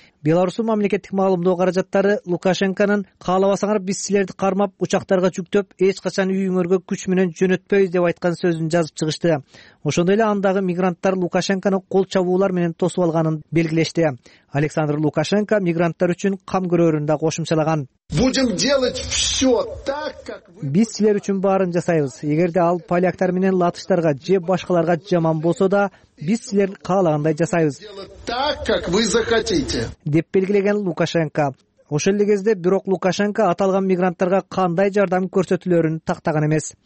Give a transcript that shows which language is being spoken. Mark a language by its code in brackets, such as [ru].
[ky] Беларусь мамлекеттик маалымдоо каражаттары Лукашенконун каалабасаңар биз силерди кармап, учактарга жүктөп, эч качан үйүңөргө күч менен жөнөтпөйбүз деп айткан сөзүн жазып чыгышты. Ошондой эле андагы мигранттар Лукашенконун кол чабуулар менен тосуп алганын белгилешти. Александр Лукашенко мигранттар үчүн кам көрөрүн да кошумчалаган. [ru] Будем делать все так, как вы. [ky] Биз силер үчүн баарын жасайбыз. Эгерде ал поляктар менен латыштарга же башкаларга жаман болсо да, биз силер каалагандай жасайбыз. [ru] Так, как вы захотите. [ky] Деп белгилеген Лукашенко. Ошол эле кезде бирок Лукашенко аталган мигранттарга кандай жардам көрсөтүлөрүн тактаган эмес.